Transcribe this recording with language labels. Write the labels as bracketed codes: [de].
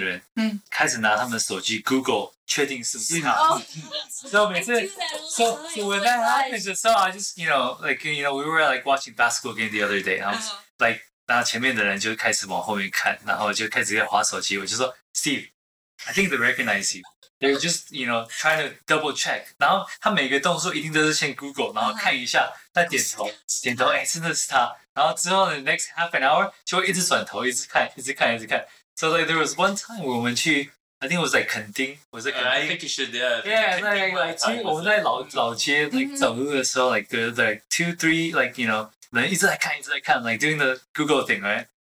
[zh] 你常常跟他在一起的时候，你就会看到旁边的人开始拿他们的手机 Google 确定是不是他。 [en] So when that happens, I just we were like watching basketball game the other day. I was like, [zh] 然后前面的人就开始往后面看，然后就开始在滑手机。我就说 Steve, [en] I think they recognize you. They're just trying to double check. [zh] 然后他每个动作一定都是先 Google, 然后看一下，再点头，哎，真的是他。然后之后, [en] the next half an hour, [zh] 就会一直转头，一直看。 [en] So like there was one time when we went to, I think it was like Kanding. Was it Kanding? I think you should, yeah. Yeah, like [zh] 我们在老街走路的时候, [en] like there's like two, three, like, you know, [zh] 人一直在看, [en] like doing the Google thing, right?